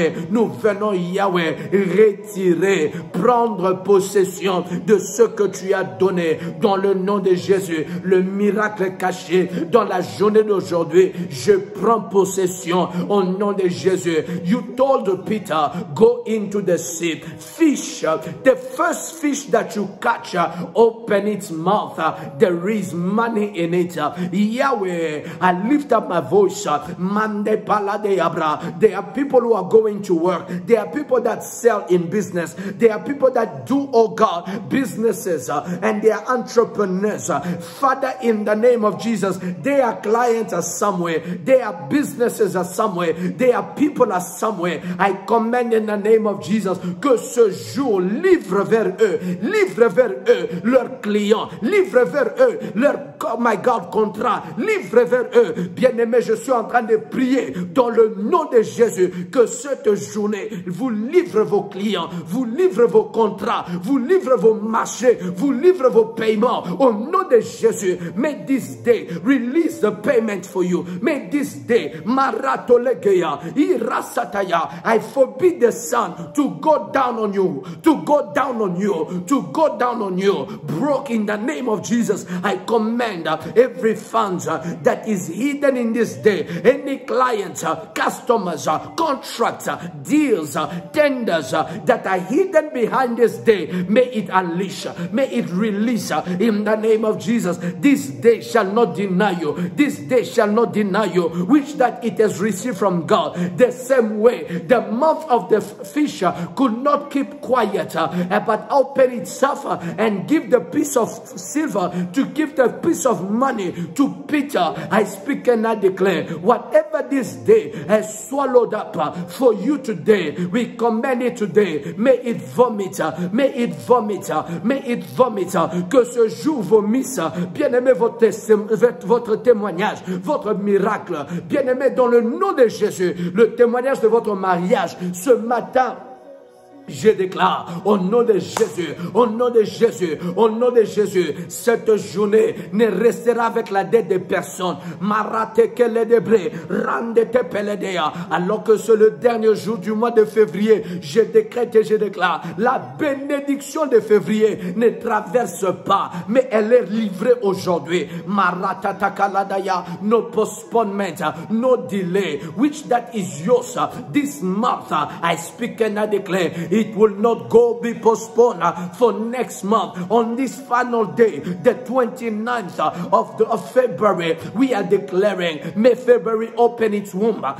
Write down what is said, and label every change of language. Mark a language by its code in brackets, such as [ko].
[fr] Nous venons Yahweh, retirer, prendre possession de ce que tu as donné dans le nom de Jésus. Le miracle caché dans la journée d'aujourd'hui, je prends possession au nom de Jésus. [en] You told Peter, go into the sea. Fish, the first fish that you catch, open its mouth. There is money in it. Yahweh, I lift up my voice. Mande pala de abra. There are people who are going to work. There are people that sell in business. There are people that do, oh God, businesses, and they are entrepreneurs. Father, in the name of Jesus, their clients are somewhere. Their businesses are somewhere. Their people are somewhere. I command in the name of Jesus [fr] que ce jour livre vers eux leurs clients, livre vers eux leur, [en] oh my God, [fr] contrat, livre vers eux. Bien-aimé, je suis en train de prier dans le nom de Jésus que cette journée vous livre vos clients, vous livre vos contrats, vous livre vos marchés, vous livre vos paiements au nom de Jésus. [en] May this day release the payment for you. May this day maratolegeya irasataya. I forbid the sun to go down on you, to go down on you, to go down on you. Broke in the name of Jesus, I command every funds that is hidden in this day, any clients, customers, contracts, deals, tenders that are hidden behind this day, may it unleash, may it release in the name of Jesus. This day shall not deny you. This day shall not deny you, which that it has received from God. The same way the mouth of the fish could not keep quiet, but open itself and give the piece of silver, to give the piece of money to Peter. I speak and I declare, whatever this day has swallowed up for you today, we command it today. May it vomit, may it vomit, may it vomit. [fr] Que ce jour vomisse, bien aimé, votre témoignage, votre miracle. Bien aimé, dans le nom de Jésus, le témoignage de votre mariage ce matin. Je déclare au nom de Jésus, au nom de Jésus, au nom de Jésus, cette journée ne restera avec la dette de personne. Marate que les débris rendent peledea. Alors que c'est le dernier jour du mois de février, je décrète et je déclare la bénédiction de février ne traverse pas, mais elle est livrée aujourd'hui. Marata takaladaya, [en] no postponement, no delay, which that is yours this month. I speak and I declare, it will not go be postponed for next month. On this final day, the 29th of February, we are declaring, may February open its womb.